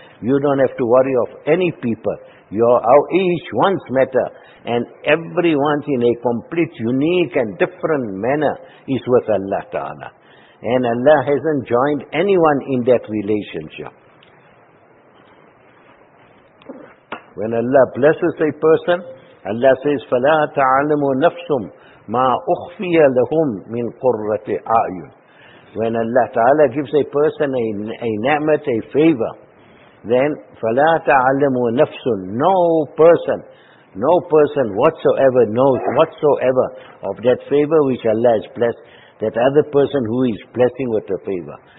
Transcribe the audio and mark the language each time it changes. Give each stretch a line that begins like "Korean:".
English: You don't have to worry of any people. Each one's matter, and everyone's in a complete, unique and different manner is with Allah Ta'ala. And Allah hasn't joined anyone in that relationship. When Allah blesses a person, Allah says,
Arabic: فَلَا تَعْلَمُ نَفْسٌ مَا أُخْفِيَ لَهُمْ مِنْ قُرَّةِ أَعْيُنٍ.
English: When Allah Ta'ala gives a person a ni'mat, a favor, then
Arabic: فَلَا تَعْلَمُ نَفْسٌ,
English: no person whatsoever knows whatsoever of that favor which Allah has blessed, that other person who is blessing with the favor.